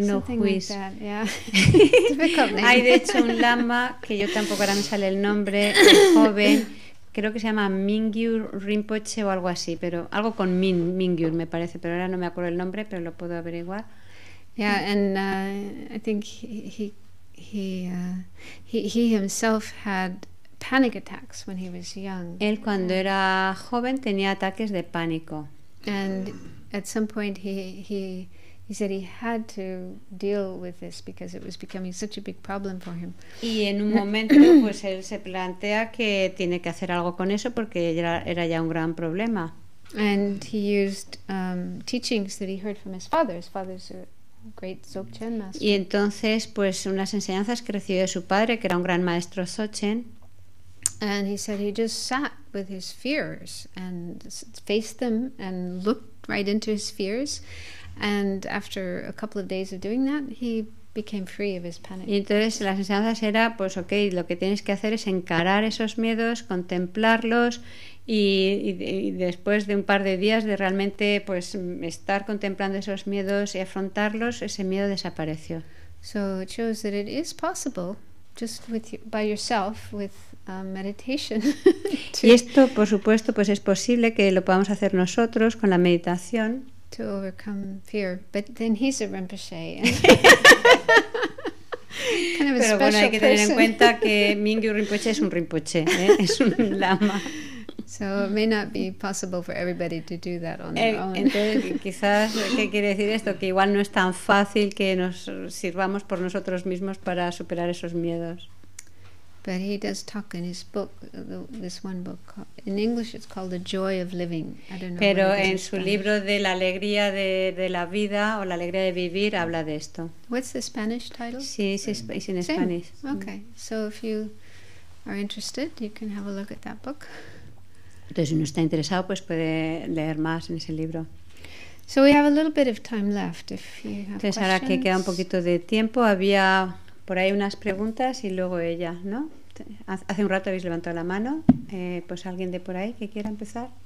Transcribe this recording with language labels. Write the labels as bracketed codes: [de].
[es] Hay de hecho un lama, que yo tampoco ahora me sale el nombre, joven. Creo que se llama Mingyur Rinpoche o algo así, pero algo con Mingyur me parece, pero ahora no me acuerdo el nombre, pero lo puedo averiguar. [en] Yeah, and I think he himself had panic attacks when he was young. [es] Él cuando era joven tenía ataques de pánico. [en] And at some point he said he had to deal with this because it was becoming such a big problem for him. [es] Y en un momento pues él se plantea que tiene que hacer algo con eso porque era ya un gran problema. [en] And he used teachings that he heard from his father. His father's a great Dzogchen master. [es] Y entonces pues unas enseñanzas que recibió de su padre, que era un gran maestro Dzogchen. [en] And he said he just sat with his fears and faced them and looked right into his fears. And after a couple of days of doing that, he became free of his panic. [es] Y entonces las enseñanzas era, pues okay, lo que tienes que hacer es encarar esos miedos, contemplarlos, y después de un par de días de realmente pues estar contemplando esos miedos y afrontarlos, ese miedo desapareció. [en] So it shows that it is possible, just with by yourself, with meditation. [es] Y esto, por supuesto, pues es posible que lo podamos hacer nosotros con la meditación. [en] To overcome fear, but then he's a Rinpoche. Kind of a special person. [es] Hay que tener en cuenta que Mingyur Rinpoche es un Rinpoche, es un lama. [en] So it may not be possible for everybody to do that on their own. [es] Entonces, quizás, ¿qué quiere decir esto? Que igual no es tan fácil que nos sirvamos por nosotros mismos para superar esos miedos. [en] But he does talk in his book, this one book. In English, it's called The Joy of Living. I don't know. [es] Pero en su libro de la alegría de la vida o la alegría de vivir habla de esto. [en] What's the Spanish title? [es] Sí, es en español. [en] Okay, so if you are interested, you can have a look at that book. [es] Entonces, si uno está interesado, pues puede leer más en ese libro. [en] So we have a little bit of time left. If you have [es] entonces, [en] questions. [es] Ahora que queda un poquito de tiempo, había por ahí unas preguntas y luego ella, ¿no? Hace un rato habéis levantado la mano, pues alguien de por ahí que quiera empezar.